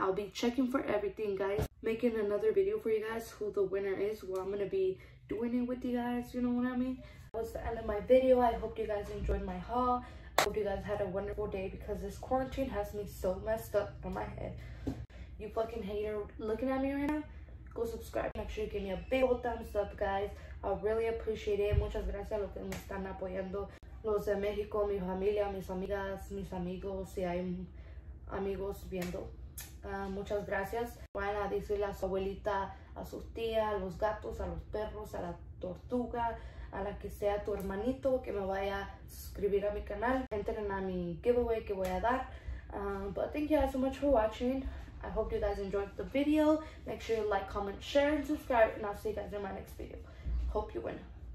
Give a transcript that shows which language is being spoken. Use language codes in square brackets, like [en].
[en] I'll be checking for everything, guys. Making another video for you guys who the winner is, where I'm going to be doing it with you guys. You know what I mean? That was the end of my video. I hope you guys enjoyed my haul. I hope you guys had a wonderful day because this quarantine has me so messed up in my head. You fucking hater looking at me right now? Go subscribe. Make sure you give me a big old thumbs up, guys. I really appreciate it. [es] Muchas gracias a los que me están apoyando. Los de México, mi familia, mis amigas, mis amigos, si hay amigos viendo. Muchas gracias. Van a decirle a su abuelita, a sus tías, a los gatos, a los perros, a la tortuga, a la que sea tu hermanito, que me vaya a suscribir a mi canal. Entren a mi giveaway que voy a dar. [en] But thank you guys so much for watching. I hope you guys enjoyed the video. Make sure you like, comment, share, and subscribe. And I'll see you guys in my next video. Hope you win.